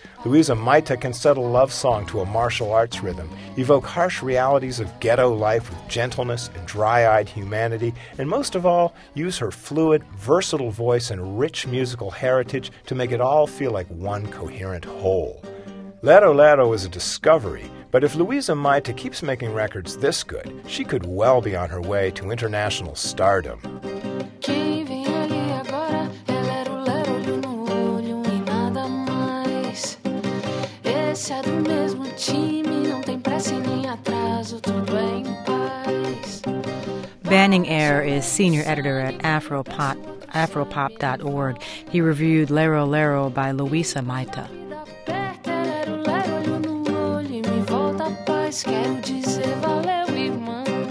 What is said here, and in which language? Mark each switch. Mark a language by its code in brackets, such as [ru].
[en] Luiza Maita can set a love song to a martial arts rhythm, evoke harsh realities of ghetto life with gentleness and dry-eyed humanity, and most of all, use her fluid, versatile voice and rich musical heritage to make it all feel like one coherent whole. Lero Lero is a discovery, but if Luiza Maita keeps making records this good, she could well be on her way to international stardom. [pt] Quem vem ali agora é lero lero no olho e nada mais. Esse é do mesmo time, não tem pressa e nem atraso, tudo é em paz. [en] Banning Air is senior editor at Afropop.org. He reviewed Lero Lero by Luiza Maita. [pt] Aperta lero lero no olho e me volta a paz. Quero dizer valeu, irmão.